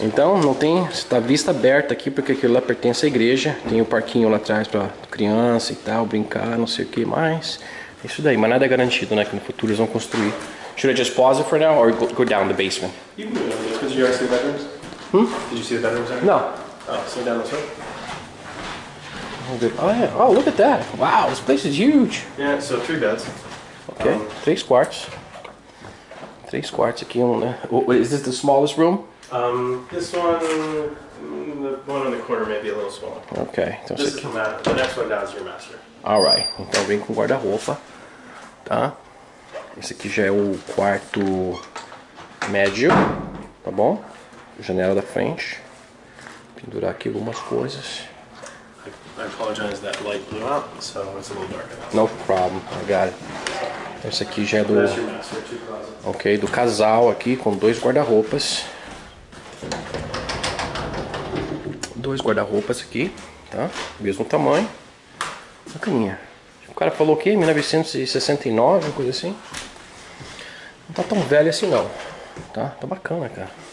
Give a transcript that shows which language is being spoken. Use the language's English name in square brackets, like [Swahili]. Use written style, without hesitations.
[Portuguese] Então, não tem, está vista aberta aqui porque aquilo lá pertence à igreja. Tem o parquinho lá atrás para criança e tal, brincar, não sei o que mais. Isso daí, mas nada é garantido, né, que no futuro eles vão construir. [English] Should I just pause it for now or go down the basement? You can go down there, because did you already see the bedrooms? Did you see the bedrooms there? No. Oh, so down this road? Oh, yeah. Oh, look at that. Wow, this place is huge. Yeah, so three beds. [Portuguese] Okay, Três quartos aqui, né? [English] Is this the smallest room? This one, the one in the corner may be a little smaller. Okay. This is the master. The next one down is your master. All right. [Portuguese] Então vem com guarda-roupa, tá? Esse aqui já é o quarto médio, tá bom? Janela da frente. Pendurar aqui algumas coisas. [English] I apologize that light blew out, so it's a little darker. [Portuguese] No problem, I got it. Esse aqui já é do... Ok, do casal aqui com dois guarda-roupas. Dois guarda-roupas aqui, tá? Mesmo tamanho. Uma caminha. O cara falou o quê? 1969, uma coisa assim? Não tá tão velho assim não, tá? Tá bacana, cara.